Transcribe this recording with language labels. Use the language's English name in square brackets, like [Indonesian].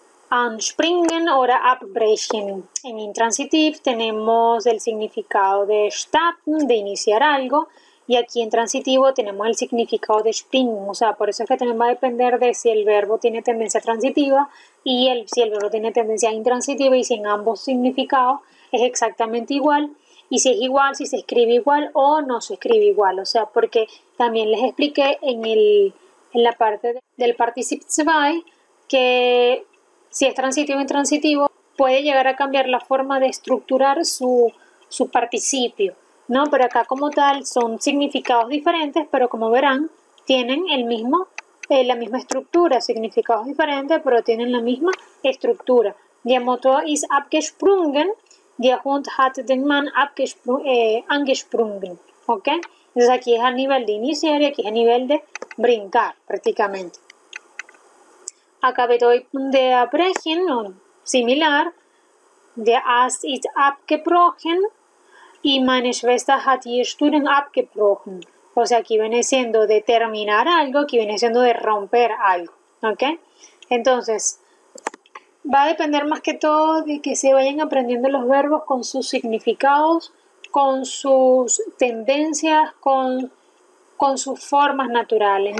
[German] Anspringen oder abbrechen. [Spanish] En intransitive tenemos el significado de starten, de iniciar algo, y aquí en transitivo tenemos el significado de springen. O sea, por eso es que también va a depender de si el verbo tiene tendencia transitiva y si el verbo tiene tendencia intransitiva, y si en ambos significados es exactamente igual. Y si es igual, si se escribe igual o no se escribe igual. O sea, porque también les expliqué en la parte del participio 2, que si es transitivo o intransitivo, puede llegar a cambiar la forma de estructurar su participio, ¿no? Pero acá como tal son significados diferentes, pero como verán, tienen la misma estructura. Significados diferentes, pero tienen la misma estructura. [German] Der Motor ist abgesprungen. Der Hund hat den Mann angesprungen, ¿ok? [Spanish] Entonces aquí es a nivel de iniciar y aquí es a nivel de brincar, prácticamente. Acá bedeutung de abbrechen, similar. [German] Der Ast ist abgebrochen y meine Schwester hat ihr Studium abgebrochen. [Spanish] O sea, aquí viene siendo de terminar algo, aquí viene siendo de romper algo, ¿ok? Entonces, Va a depender más que todo de que se vayan aprendiendo los verbos con sus significados, con sus tendencias, con sus formas naturales.